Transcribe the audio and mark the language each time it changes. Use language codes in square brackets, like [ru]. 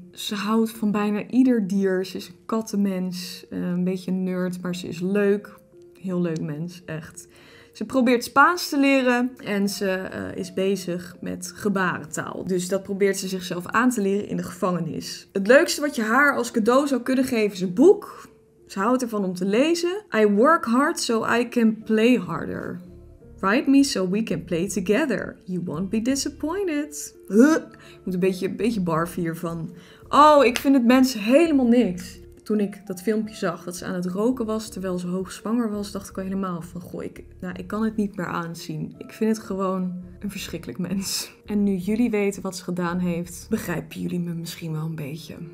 [nl] Ze houdt van bijna ieder dier. Ze is een kattenmens, een beetje een nerd, maar ze is leuk. Heel leuk mens, echt. Ze probeert Spaans te leren en ze is bezig met gebarentaal. Dus dat probeert ze zichzelf aan te leren in de gevangenis. Het leukste wat je haar als cadeau zou kunnen geven is een boek. Ze houdt ervan om te lezen. [en] I work hard so I can play harder. Write me so we can play together. You won't be disappointed. [nl] Ik moet een beetje barf hiervan. Oh, ik vind het mens helemaal niks. Toen ik dat filmpje zag dat ze aan het roken was terwijl ze hoogzwanger was, dacht ik al helemaal van goh, ik kan het niet meer aanzien. Ik vind het gewoon een verschrikkelijk mens. En nu jullie weten wat ze gedaan heeft, begrijpen jullie me misschien wel een beetje.